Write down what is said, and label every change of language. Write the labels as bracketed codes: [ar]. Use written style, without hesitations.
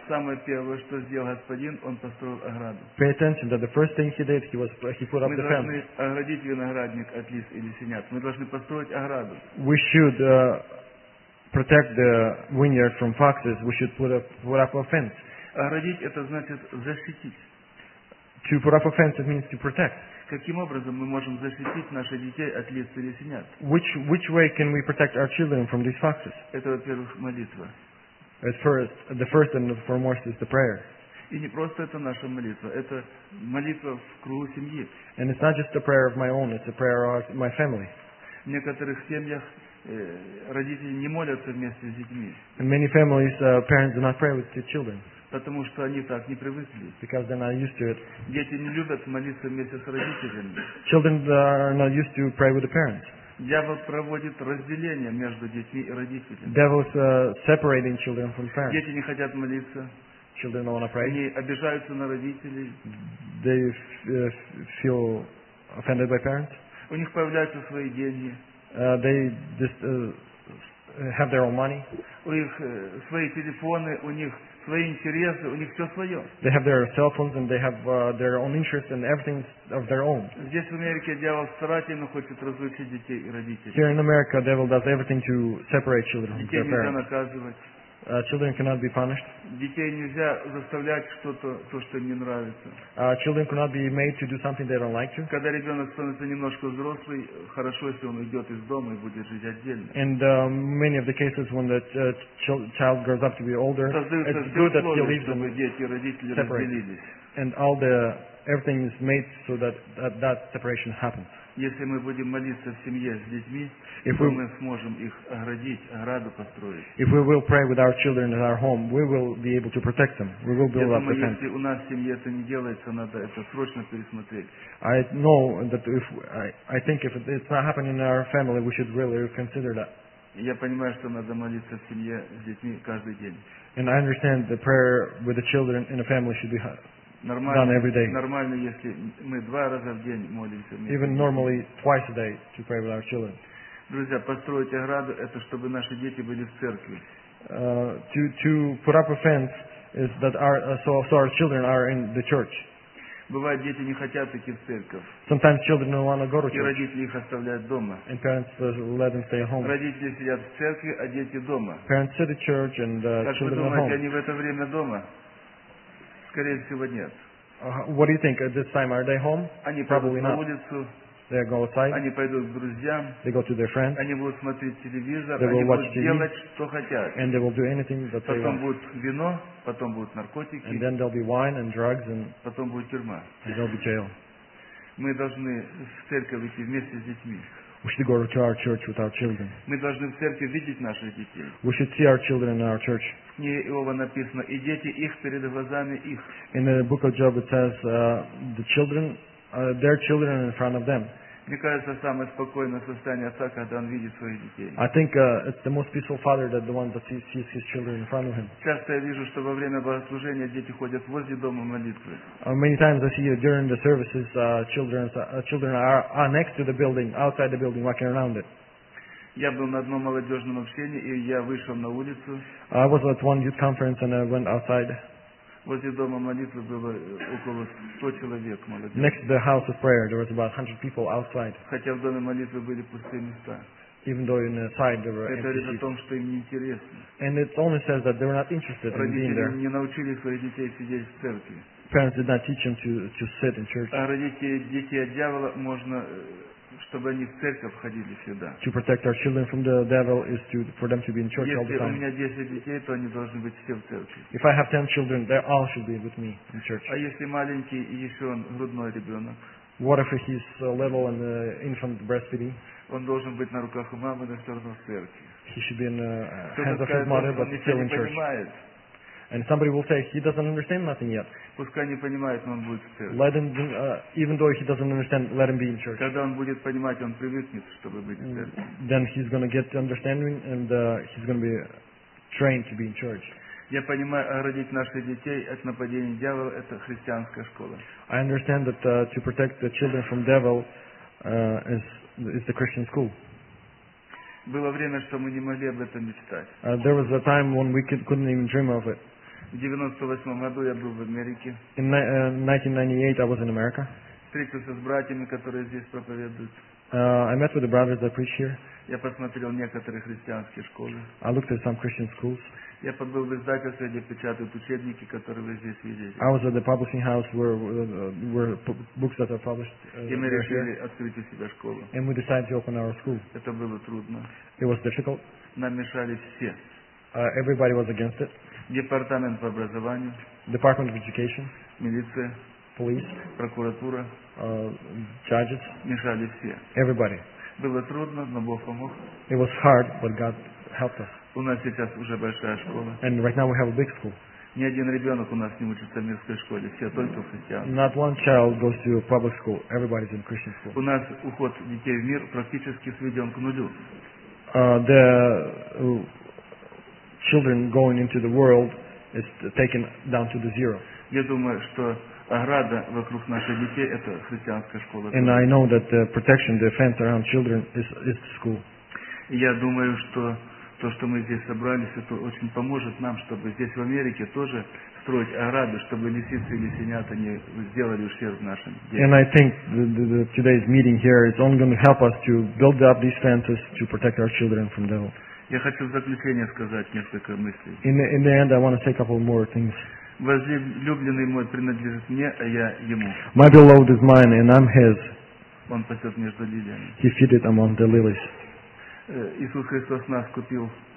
[ru] Самое первое, что сделал господин, он построил ограду. [en] Pay attention that the first thing he did, he put up the fence. [ru] Мы должны оградить виноградник от лис или синят. Мы должны построить ограду. [en] We should protect the vineyard from foxes. We should put up a fence. [ru] Оградить — это значит защитить. [en] To put up a fence, it means to protect. [ru] Каким образом мы можем защитить наших детей от лис или синят? [en] Which way can we protect our children from these foxes? [ru] Это, во-первых, молитва. [en] At first, the first and foremost is the prayer. [ru] И не просто это наша молитва, это молитва в кругу семьи. [en] And it's not just a prayer of my own, it's a prayer of my family. [ru] В некоторых семьях родители не молятся вместе с детьми. [en] In many families, parents do not pray with their children. [ru] Потому что они так не привыкли. [en] Because they're not used to it. [ru] Дети не любят молиться вместе с родителями. [en] Children are not used to pray with the parents. [ru] Дьявол проводит разделение между детьми и родителями. [en] Devil's separating children from parents. [ru] Дети не хотят молиться. [en] Children don't want to pray. [ru] Они обижаются на родителей. [en] They feel offended by parents. [ru] У них появляются свои деньги. [en] They just have their own money. [ru] У них свои телефоны, у них свои интересы, у них все свое. [en] They have their cell phones and they have their own interests and everything of their own. [ru] Здесь в Америке дьявол старательно хочет разлучить детей и родителей. [en] Here in America, devil does everything to separate children from their parents. [ru] Детей нельзя наказывать. [en] Children cannot be punished. [ru] Детей нельзя заставлять что-то, то, что им не нравится. [en] Children cannot be made to do something they don't like to. [ru] Когда ребенок становится немножко взрослый, хорошо, если он уйдет из дома и будет жить отдельно. [en] And many of the cases when the child grows up to be older, it's good that he leaves them separate. And everything is made so that separation happens. [ru] Если мы будем молиться в семье с детьми, то мы сможем их оградить, ограду построить. [en] If we will pray with our children in our home, we will be able to protect them. We will build up the fence. [ru] Я думаю, если у нас в семье это не делается, надо это срочно пересмотреть. [en] I know that if I think if it's not happening in our family, we should really consider that. [ru] Я понимаю, что надо молиться в семье с детьми каждый день. [en] And I understand the prayer with the children in a family should be done every day. [ru] Нормально, если мы два раза в день молимся. [en] Even normally twice a day to pray with our children. [ru] Друзья, построить ограду – это чтобы наши дети были в церкви. [en] To put up a fence is that so our children are in the church. [ru] Бывает, дети не хотят идти в церковь. [en] Sometimes children don't want to go to church. [ru] И родители их оставляют дома. [en] And parents let them stay home. [ru] Родители сидят в церкви, а дети дома. [en] Parents sit at church and children at home. [ru] Как вы думаете, они в это время дома? Скорее всего, нет. [en] What do you think? At this time, are they home? [ru] Они [en] probably [ru] на улицу. [en] They go outside. [ru] Они пойдут к друзьям. [en] They go to their friends. [ru] Они будут смотреть телевизор. [en] They will watch TV. [ru] Они будут делать, что хотят. [en] And they will do anything that they want. [ru] Потом будет вино, потом будут наркотики. [en] And then there'll be wine and drugs and. [ru] Потом будет тюрьма. [en] And there'll be jail. [ru] Мы должны в церковь идти вместе с детьми. [en] We should go to our church with our children. [ru] Мы должны в церкви видеть наших детей. [en] We should see our children in our church. [ru] В книге Иова написано, и дети их перед глазами их. [en] In the book of Job it says the children. Their children in front of them. [ru] Мне кажется, самое спокойное состояние отца, когда он видит своих детей. [en] I think it's the most peaceful father that the one that sees his children in front of him. [ru] Часто я вижу, что во время богослужения дети ходят возле дома молитвы. [en] Many times I see during the services children are next to the building, outside the building, walking around it. [ru] Я был на одном молодежном общении и я вышел на улицу. [en] I was at one youth conference and I went outside. [ru] Возле дома молитвы было около 100 человек молодежи. [en] Next to the house of prayer, there was about 100 people outside. [ru] Хотя в доме молитвы были пустые места. [en] Even though inside there were empty seats. [ru] Это говорит о том, что им не интересно. [en] And it only says that they were not interested in being there. [ru] Родители не научили своих детей сидеть в церкви. [en] Parents did not teach them to sit in church. [ru] А родители детей от дьявола можно, чтобы они в церковь ходили всегда. [en] To protect our children from the devil is for them to be in church all the time. [ru] Если у меня 10 детей, то они должны быть все в церкви. [en] If I have 10 children, they all should be with me in church. [ru] А если маленький, еще он грудной ребенок? [en] What if he's little and infant breastfeeding? [ru] Он должен быть на руках у мамы, но все равно в церкви. [en] He should be in the hands of his mother, but still in church. [ru] Понимает. [en] And somebody will say, he doesn't understand nothing yet. [ru] Пускай не понимает, но он будет в церкви. [en] Let him, even though he doesn't understand, let him be in church. [ru] Когда он будет понимать, он привыкнет, чтобы быть в церкви. [en] Then he's going to get understanding and he's going to be trained to be in church. [ru] Я понимаю, оградить наших детей от нападения дьявола – это христианская школа. [en] I understand that to protect the children from devil is the Christian school. [ru] Было время, что мы не могли об этом мечтать. [en] There was a time when we couldn't even dream of it. [ru] В 98 году я был в Америке. [en] In 1998, I was in America. [ru] Встретился с братьями, которые здесь проповедуют. [en] I met with the brothers that preach here. [ru] Я посмотрел некоторые христианские школы. [en] I looked at some Christian schools. [ru] Я побыл в издательстве, где печатают учебники, которые вы здесь видите. [en] I was at the publishing house where books that are published [ru] И мы решили открыть у себя школу. [en] And we decided to open our school. [ru] Это было трудно. [en] It was difficult. [ru] Нам мешали все. [en] Everybody was against it. [ru] Департамент по образованию. [en] Department of Education. [ru] Милиция. [en] Police. [ru] Прокуратура. [en] Judges. [ru] Мешали все. [en] Everybody. [ru] Было трудно, но Бог помог. [en] It was hard, but God helped us. [ru] У нас сейчас уже большая школа. [en] And right now we have a big school. [ru] Ни один ребенок у нас не учится в мирской школе, все только христиан. [en] Not one child goes to public school. Everybody's in Christian school. [ru] У нас уход детей в мир практически сведен к нулю. [en] The children going into the world is taken down to the zero. [ru] Я думаю, что ограда вокруг наших детей – это христианская школа. [en] And I know that the protection, the fence around children is the school. [ru] Я думаю, что то, что мы здесь собрались, это очень поможет нам, чтобы здесь в Америке тоже строить ограды, чтобы лисицы и лисенята не сделали ущерб нашим детям. [en] And I think the today's meeting here is only going to help us to build up these fences to protect our children from devil. [ru] Я хочу в заключение сказать несколько мыслей. [en] In the end, I want to say a couple more things. [ru] Возлюбленный мой принадлежит мне, а я ему. [en] My beloved is mine, and I'm his. [ru] Он пасет между лилиями. [en] He feedeth among the lilies. [ru] Иисус Христос нас купил.